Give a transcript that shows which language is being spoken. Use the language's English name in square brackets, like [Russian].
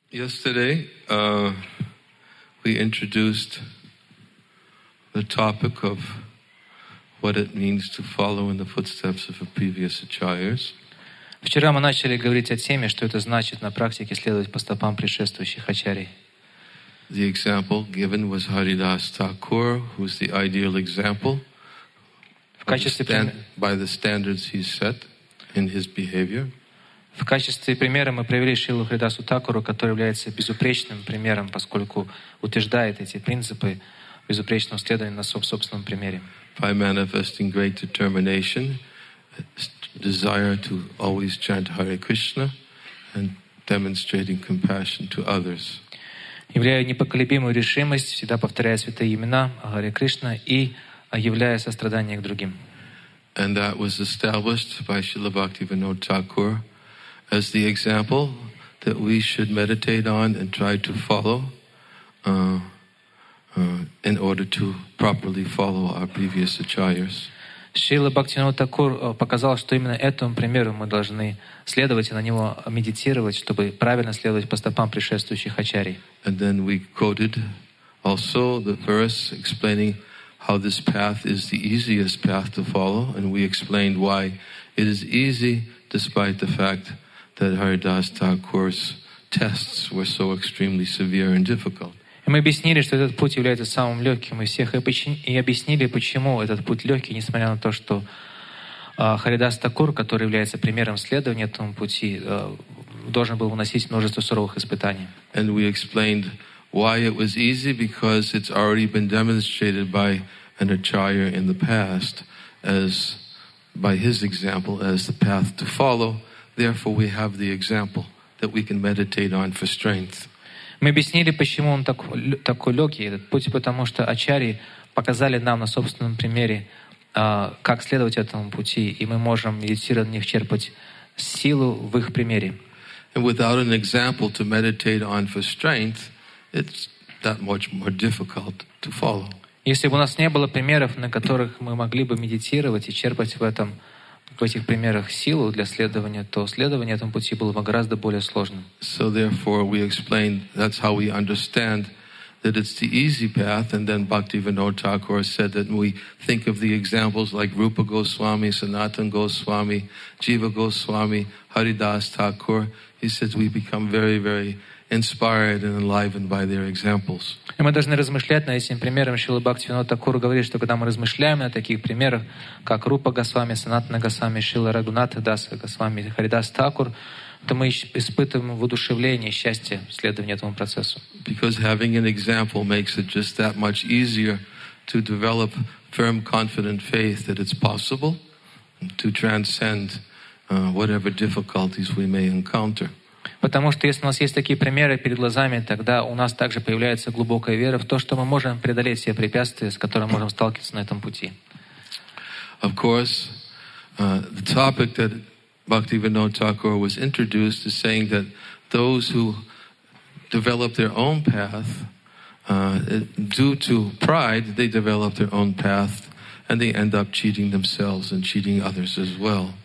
[English] Yesterday, we introduced the topic of what it means to follow in the footsteps of a previous acharyas. [Russian] Вчера мы начали говорить о теме, что это значит на практике следовать по стопам предшествующих ачарий. [English] The example given was Haridas Thakur, who is the ideal example. [Russian] В качестве [English] by the standards he set in his behavior. [Russian] В качестве примера мы привели Шрилу Харидасу Такуру, который является безупречным примером, поскольку утверждает эти принципы безупречного следования на собственном примере. [English] By manifesting great determination, desire to always chant Hare Krishna, and demonstrating compassion to others. [Russian] Являя непоколебимую решимость, всегда повторяя святые имена Харе Кришна и являя сострадание к другим. [English] And that was established by Шрила Бхактивинода Такур as the example that we should meditate on and try to follow in order to properly follow our previous acharyas. [Russian] Шрила Бхактивинода Такур показал, что именно этому примеру мы должны следовать и на него медитировать, чтобы правильно следовать по стопам предшествующих ачарий. [English] And then we quoted also the verse explaining how this path is the easiest path to follow, and we explained why it is easy despite the fact that Haridas Thakur's tests were so extremely severe and difficult. [Russian] Мы объяснили, что этот путь является самым легким из всех, и объяснили, почему этот путь легкий, несмотря на то, что Харидас Такур, который является примером следования этому пути, должен был выносить множество суровых испытаний. [English] And we explained why it was easy, because it's already been demonstrated by an acharya in the past, as by his example, as the path to follow. Therefore, we have the example that we can meditate on for strength. [Russian] Мы объяснили, почему он такой легкий, этот путь, потому что ачарьи показали нам на собственном примере, как следовать этому пути, и мы можем медитировать на них, черпать силу в их примере. [English] And without an example to meditate on for strength, it's that much more difficult to follow. [Russian] Если бы у нас не было примеров, на которых мы могли бы медитировать и черпать в этих примерах силу для следования, то следование этому пути было бы гораздо более сложным. [English] So therefore we explained, that's how we understand that it's the easy path, and then Bhaktivinoda Thakur said that we think of the examples like Rupa Goswami, Sanatana Goswami, Jiva Goswami, Haridas Thakur. He says we become very, very inspired and enlivened by their examples. [Russian] И мы должны размышлять над этим примером. Шрила Бхактивинода Такур говорит, что когда мы размышляем на таких примерах, как Рупа Госвами, Санатана Госвами, Шрила Рагхунатха Даса Госвами, Харидас Такур, то мы испытываем воодушевление и счастье в следовании этому процессу. [English] Because having an example makes it just that much easier to develop firm, confident faith that it's possible to transcend whatever difficulties we may encounter. [Russian] Потому что если у нас есть такие примеры перед глазами, тогда у нас также появляется глубокая вера в то, что мы можем преодолеть все препятствия, с которыми мы можем сталкиваться на этом пути. [English] Of course, the topic that Bhaktivinoda Thakur was introduced is saying that those who develop their own path, due to pride, they develop their own path, and they end up cheating themselves and cheating others as well.